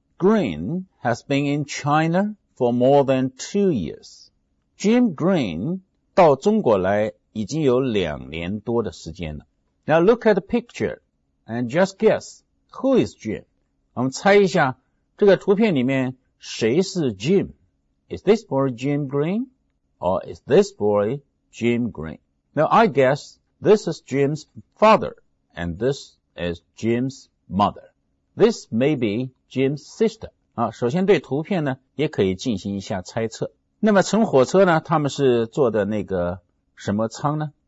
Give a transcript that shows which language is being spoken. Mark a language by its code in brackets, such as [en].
[en] Green has been in China for more than 2 years. [zh] Jim Green 到中国来已经有两年多的时间了。 [en] Now look at the picture and just guess who is Jim. [zh] 我们猜一下这个图片里面谁是 Jim? [en] Is this boy Jim Green? Or is this boy Jim Green? Now I guess this is Jim's father and this is Jim's mother. This may beJim's sister. [zh] 啊，首先对图片呢也可以进行一下猜测。那么乘火车呢，他们是坐的那个什么舱呢？